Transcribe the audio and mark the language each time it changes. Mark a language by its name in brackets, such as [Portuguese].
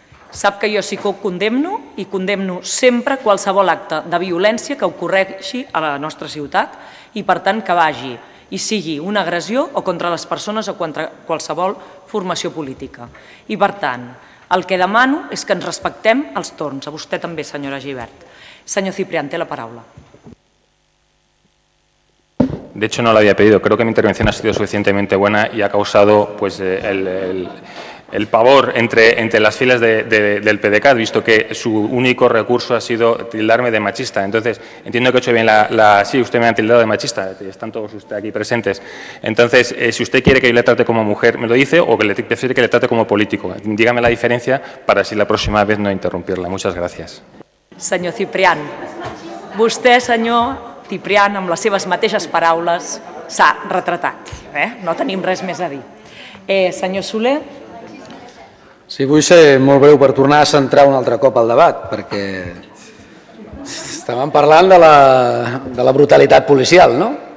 [Catalan] Sap que jo sí que ho condemno i condemno sempre qualsevol acte de violència que ocorreixi a la nostra ciutat i, per tant, que vagi i sigui una agressió o contra les persones o contra qualsevol formació política. I, per tant, el que demano és que ens respectem els torns. A vostè també, senyora Gibert. Senyor Ciprián, té la paraula. [Spanish] De hecho, no la había pedido. Creo que mi intervención ha sido suficientemente buena y ha causado pues el pavor entre las filas del PDeCAT, visto que su único recurso ha sido tildarme de machista. Entonces, entiendo que he hecho bien Sí, usted me ha tildado de machista, están todos ustedes aquí presentes. Entonces, si usted quiere que yo le trate como mujer, me lo dice, o que le prefiere que le trate como político. Dígame la diferencia para así la próxima vez no interrumpirla. Muchas gracias. [Catalan] Señor Ciprián, usted, señor Ciprián, amb les seves mateixes paraules, s'ha retratat. No tenim res més a dir. Senyor Soler... Sí, vull ser molt breu per tornar a centrar un altre cop al debat, perquè estàvem parlant de la brutalitat policial, no?